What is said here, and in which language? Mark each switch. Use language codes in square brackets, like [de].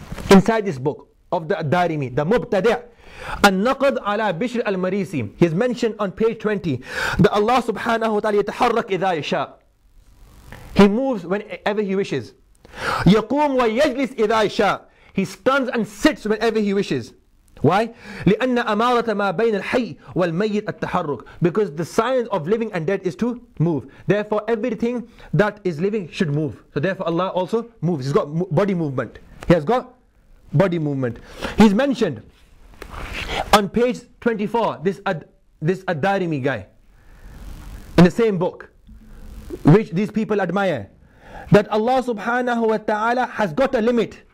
[en] Inside this book of the Darimi, the Mubtadi', An-Naqd ala Bishr al-Marisi. He's mentioned on page 20, that Allah subhanahu wa ta'ala yataharrak idha yasha. He moves whenever he wishes. Yaqum wa yajlis idha yasha. He stands and sits whenever he wishes. Why? [ar] لأن أمارة ما بين الحي والميت التحرك. [en] Because the sign of living and dead is to move. Therefore, everything that is living should move. So therefore, Allah also moves. He's got body movement. He has got body movement. He's mentioned on page 24. This Ad-Darimi guy in the same book, which these people admire, that Allah Subhanahu wa Taala has got a limit.